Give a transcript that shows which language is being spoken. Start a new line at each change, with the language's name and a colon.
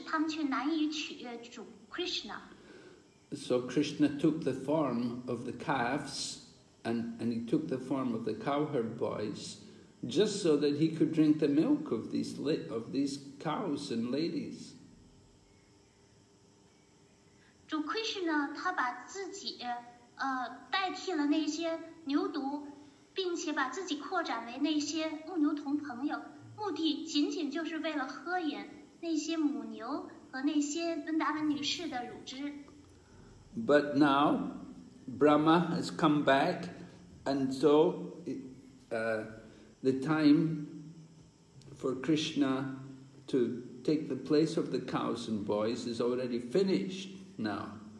Chinese: 伟大的圣哲们以及伟大的半神人们，他们特别擅长满足世人，但是他们却难以取悦主 Krishna.
English: So Krishna took the form of the calves, and he took the form of the cowherd boys, just so that he could drink the milk of these cows and ladies.
Chinese: 主 Krishna 他把自己代替了那些牛犊，并且把自己扩展为那些牧牛童朋友，目的仅仅就是为了喝饮那些母牛和那些温达文女士的乳汁。
English: But now, Brahma has come back, and so the time for Krishna to take the place of the cows and boys is already finished now.